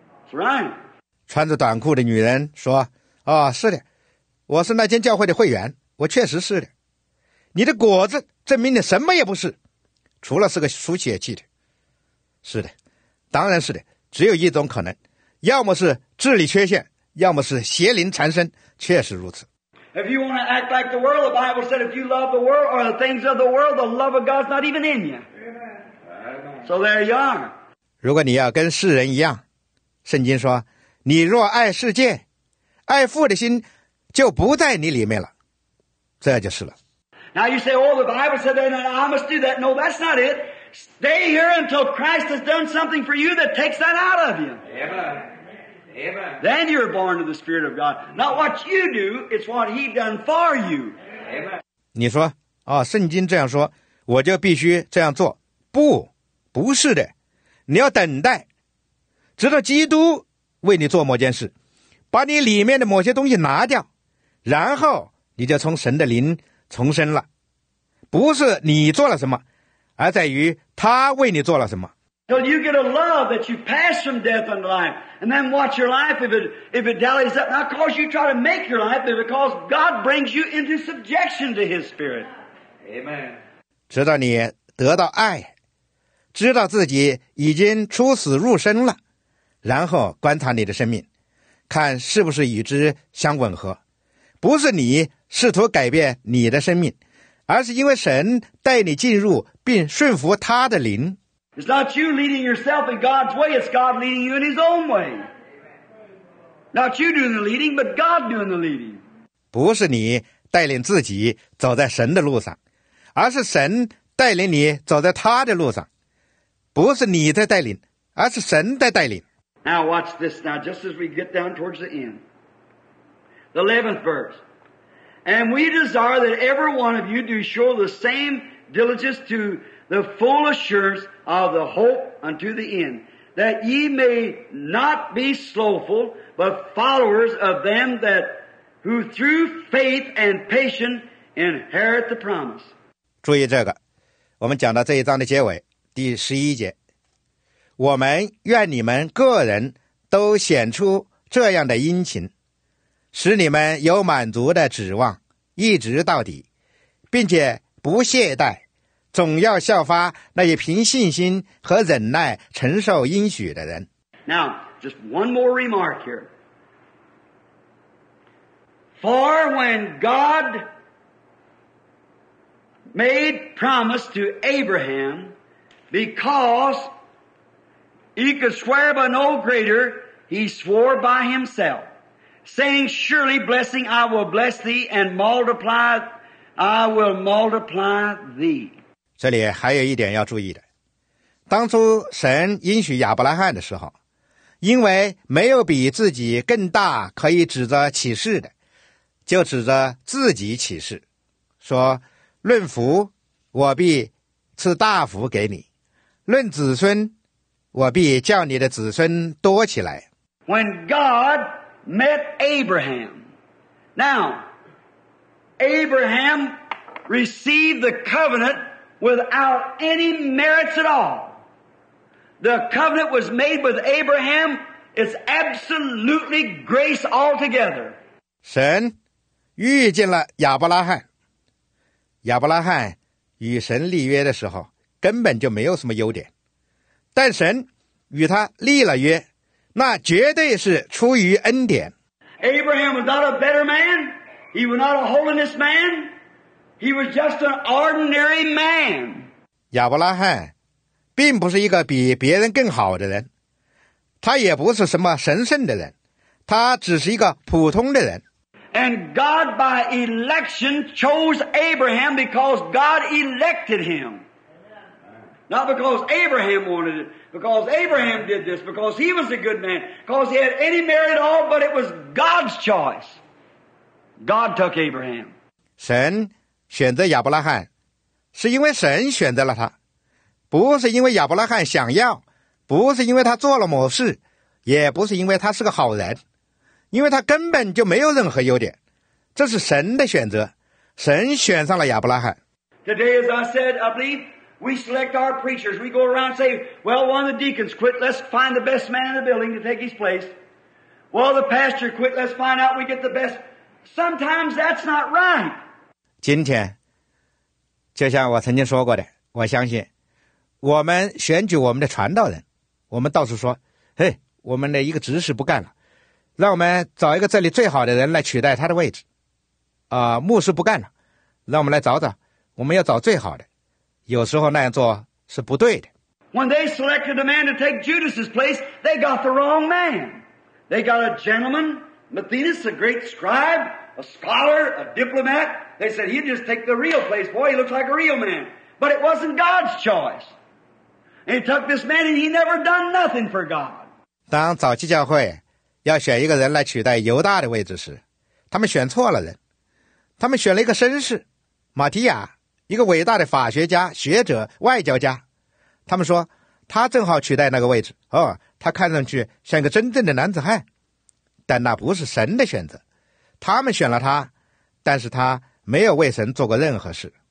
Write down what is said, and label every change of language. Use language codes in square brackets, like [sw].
[en] That's right." [zh] 穿着短裤的女人说，啊、哦，是的。我是那间教会的会员，我确实是的。你的果子证明你什么也不是，除了是个输血气的。是的，当然是的，只有一种可能，要么是智力缺陷，要么是邪灵缠身，确实如此。 [en] If you want to act like the world, the Bible said if you love the world or the things of the world, the love of God's not even in you. So there you are. [zh] 如果你要跟世人一样，圣经说，你若爱世界，爱父的心就不在你里面了，这就是了。 [en] Now you say, "Oh, the Bible said that, and I must do that." No, that's not it. Stay here until Christ has done something for you that takes that out of you. Amen. Then you're born of the Spirit of God. Not what you do; it's what He done for you. Amen. [zh] 你说啊、哦，圣经这样说，我就必须这样做？不，不是的。你要等待，直到基督为你做某件事。把你里面的某些东西拿掉，然后你就从神的灵重生了。不是你做了什么，而在于他为你做了什么。 [en] Till you get a love that you pass from death unto life, and then watch your life if it dallies up. Not because you try to make your life, but because God brings you into subjection to His Spirit. Amen. [zh] 直到你得到爱，知道自己已经出死入生了，然后观察你的生命。看是不是与之相吻合，不是你试图改变你的生命，而是因为神带你进入并顺服他的灵。 [en] It's not you leading yourself in God's way, it's God leading you in His own way. Not you doing the leading, but God doing the leading. [zh] 不是你带领自己走在神的路上，而是神带领你走在他的路上。不是你在带领，而是神在带领。 [en] Now watch this now, just as we get down towards the end. The 11th verse. And we desire that every one of you do show the same diligence to the full assurance of the hope unto the end, that ye may not be slothful, but followers of them that who through faith and patience inherit the promise. [zh] 注意这个，我们讲到这一章的结尾，第十一节。我们愿你们个人都显出这样的殷勤，使你们有满足的指望，一直到底，并且不懈怠，总要效法那些凭信心和忍耐承受应许的人。 [en] Now, just one more remark here. For when God made promise to Abraham because he could swear by no greater, he swore by himself, saying, surely blessing I will bless thee and multiply, I will multiply thee. [zh] 这里还有一点要注意的，当初神应许亚伯拉罕的时候，因为没有比自己更大可以指着启示的，就指着自己启示，说论福我必赐大福给你，论子孙我必叫你的子孙多起来。 [en] When God met Abraham, now Abraham received the covenant without any merits at all. The covenant was made with Abraham, it's absolutely grace altogether. [zh] 神遇见了亚伯拉罕，亚伯拉罕与神立约的时候根本就没有什么优点，但神与他立了约，那绝对是出于恩典。 [en] Abraham was not a better man, he was not a holiness man, he was just an ordinary man. [zh] 亚伯拉罕并不是一个比别人更好的人，他也不是什么神圣的人，他只是一个普通的人。 [en] And God by election chose Abraham because God elected him. Not because Abraham wanted it, because Abraham did this, because he was a good man, because he had any merit at all, but it was God's choice. God took Abraham. [zh] 神选择亚伯拉罕是因为神选择了他，不是因为亚伯拉罕想要，不是因为他做了某事，也不是因为他是个好人，因为他根本就没有任何优点，这是神的选择，神选上了亚伯拉罕。 [en] Today, as I said, I believe we select our preachers. We go around and say, well, one of the deacons quit, let's find the best man in the building to take his place. Well, the pastor quit, let's find out we get the best. Sometimes that's not right. [zh] 今天，就像我曾经说过的，我相信我们选举我们的传道人，我们到处说，嘿，我们的一个执事不干了，让我们找一个这里最好的人来取代他的位置，牧师不干了，让我们来找找，我们要找最好的，有时候那样做是不对的。 [en] When they selected a man to take Judas's place, they got the wrong man. They got a gentleman, Matthias, a great scribe, a scholar, a diplomat. They said he'd just take the real place. Boy, he looks like a real man. But it wasn't God's choice. And he took this man, and he never done nothing for God. [zh] 当早期教会要选一个人来取代犹大的位置时，他们选错了人，他们选了一个绅士马提亚，一个伟大的法学家、学者、外交家，他们说他正好取代那个位置，哦，他看上去像一个真正的男子汉，但那不是神的选择，他们选了他，但是他没有为神做过任何事。